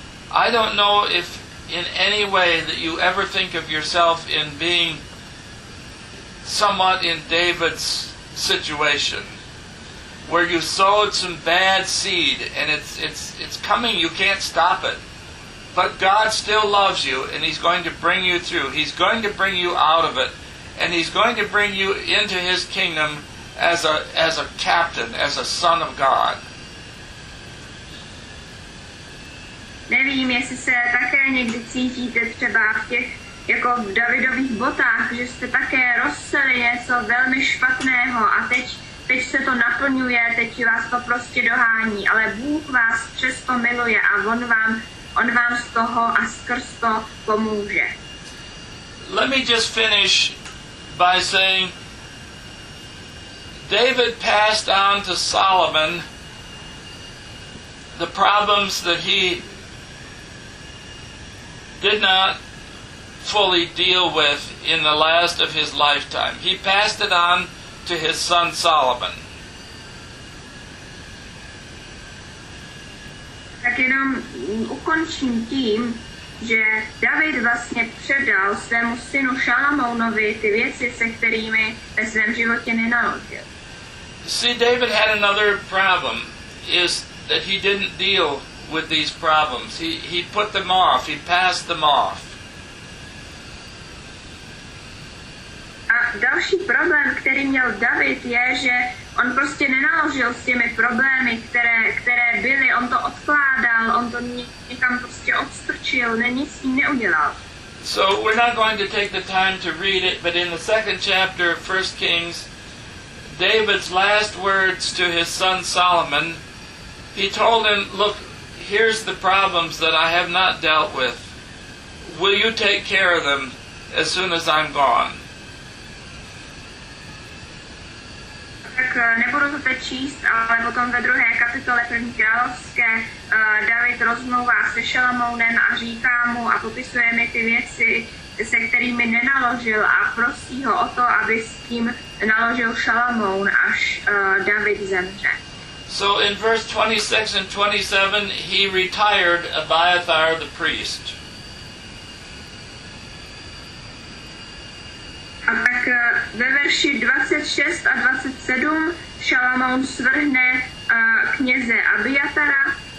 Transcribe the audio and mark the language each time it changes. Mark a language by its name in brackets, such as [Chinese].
[English] I don't know if in any way that you ever think of yourself in being somewhat in David's situation, where you sowed some bad seed and it's coming, you can't stop it. But God still loves you, and He's going to bring you through. He's going to bring you out of it, and He's going to bring you into His kingdom as a captain, as a son of God. [Czech] Nevím, jestli se také někdy cítíte třeba v těch, jako v Davidových botách, že jste také rozseli něco velmi špatného a teď se to naplňuje, teď vás to prostě dohání, ale Bůh vás přesto miluje a On vám z toho a skrz to pomůže. [English] Let me just finish by saying, David passed on to Solomon the problems that he did not fully deal with in the last of his lifetime. He passed it on to his son Solomon. [Czech] Tak jenom ukončím tím, že David vlastně předal svému synu Šalamounovi ty věci, se kterými ve svém životě nenaložil. [English] See, David had another problem, is that he didn't deal with these problems. He put them off, he passed them off. [Czech] další problém, který měl David, je, že on prostě nenaložil s těmi problémy, které byly, on to odkládal, on to někam prostě odstrčil, nic s ním neudělal. [English] So we're not going to take the time to read it, but in the second chapter of 1 Kings, David's last words to his son Solomon, he told him, look, here's the problems that I have not dealt with. Will you take care of them as soon as I'm gone? [Czech] Tak nebudu to teď číst, ale potom ve druhé kapitole první královské David rozmlouvá se Šalamounem a říká mu a popisuje mi ty věci, se kterými nenaložil a prosí ho o to, aby s tím naložil Šalamoun, až David zemře. [English] So in verse 26 and 27 he retired Abiathar the priest. [Czech] A tak ve verši 26 a 27 Šalamoun svrhne kněze Abiatara.